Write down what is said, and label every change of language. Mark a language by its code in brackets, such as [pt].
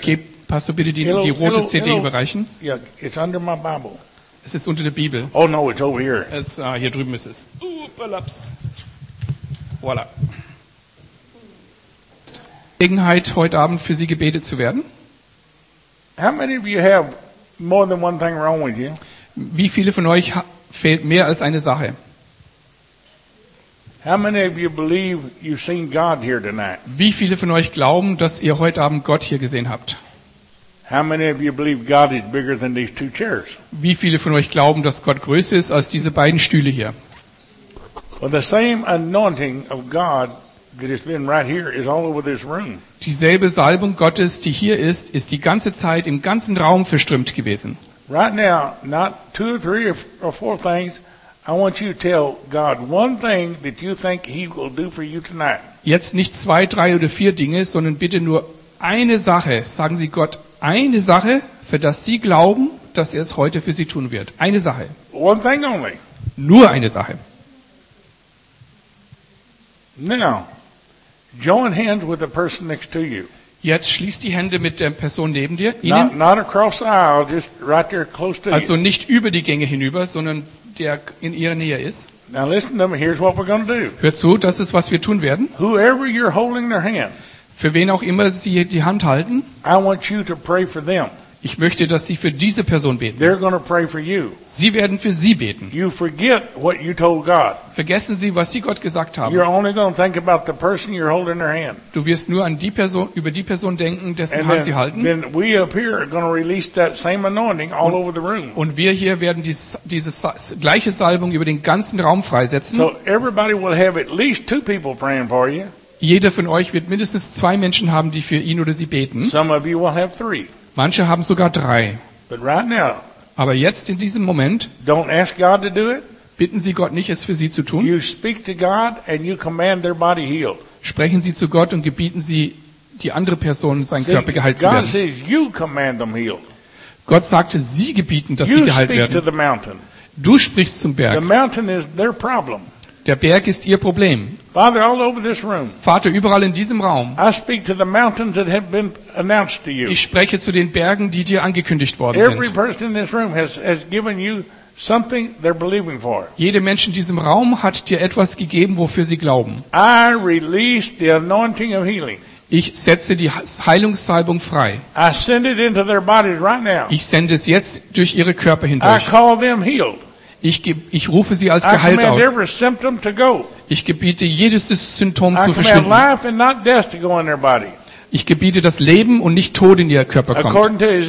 [de] Gib Pastor bitte die rote CD überreichen. [en] Yeah, it's under my Bible. [de] Es ist unter der Bibel. [en] Oh no, it's over here. [de] Es hier drüben ist es. Oops. Voilà. Gelegenheit heute Abend für Sie gebetet zu werden. [en] How many of you have more than one thing wrong with you? [de] Wie viele von euch fehlt mehr als eine Sache? [en] How many of you believe you've seen God here tonight? [de] Wie viele von euch glauben, dass ihr heute Abend Gott hier gesehen habt? [en] How many of you believe God is bigger than these two chairs? [de] Wie viele von euch glauben, dass Gott größer ist als diese beiden Stühle hier? [en] Well, the same anointing of God that has been right here is all over this room. [de] dieselbe Salbung Gottes, die hier ist, ist die ganze Zeit im ganzen Raum verströmt gewesen. [en] Right now, not two or three or four things. I want you to tell God one thing that you think He will do for you tonight. [de] Jetzt nicht zwei, drei oder vier Dinge, sondern bitte nur eine Sache. Sagen Sie Gott eine Sache, für das Sie glauben, dass er es heute für Sie tun wird. Eine Sache. [en] One thing only. [de] Nur eine Sache. [en] Now, join hands with the person next to you. [de] Jetzt schließt die Hände mit der Person neben dir. [en] Not across the aisle, just right there close to you. [de] Also nicht über die Gänge hinüber, sondern der in ihrer Nähe ist. [en] Now listen to me. Here's what we're going to do. [de] Hör zu, das ist was wir tun werden. [en] Whoever you're holding their hand. [de] Für wen auch immer sie die Hand halten. [en] I want you to pray for them. [de] Ich möchte, dass sie für diese Person beten. [en] They're going to pray for you. [de] Sie werden für sie beten. [en] You forget what you told God. [de] Vergessen Sie, was Sie Gott gesagt haben. [en] You're only going to think about the person you're holding their hand. [de] Du wirst nur an die Person, über die Person denken, dessen [en] and [de] Hand sie halten. [en] Then we up here are going to release that same anointing all over the room. [de] Und wir hier werden diese gleiche Salbung über den ganzen Raum freisetzen. [en] So everybody will have at least two people praying for you. [de] Jeder von euch wird mindestens zwei Menschen haben, die für ihn oder sie beten. [en] Some of you will have three. [de] Manche haben sogar drei. [en] But right now, [de] aber jetzt in diesem Moment [en] don't ask God to do it. [de] Bitten Sie Gott nicht, es für Sie zu tun. [en] You speak to God and you command their body healed. [de] Sprechen Sie zu Gott und gebieten Sie, die andere Person, seinen Körper geheilt zu werden. [en] God says you command them healed. [de] Gott sagte, Sie gebieten, dass [en] you [de] sie geheilt [en] speak [de] werden. [en] To the mountain. [de] Du sprichst zum Berg. [en] The mountain is their problem. [de] Der Berg ist Ihr Problem. [en] Father, all over this room, [de] Vater, überall in diesem Raum. [en] I speak to the mountains that have been announced to you. [de] Ich spreche zu den Bergen, die dir angekündigt worden [en] every [de] sind. [en] Every person in this room has given you something they're believing for. [de] Jeder Mensch in diesem Raum hat dir etwas gegeben, wofür sie glauben. [en] I release the anointing of healing. [de] Ich setze die Heilungssalbung frei. [en] I send it into their bodies right now. [de] Ich sende es jetzt durch ihre Körper hindurch. [en] I call them healed. [de] Ich rufe sie als geheilt aus. Ich gebiete jedes Symptom zu verschwinden. Ich gebiete, dass Leben und nicht Tod in ihr Körper kommt.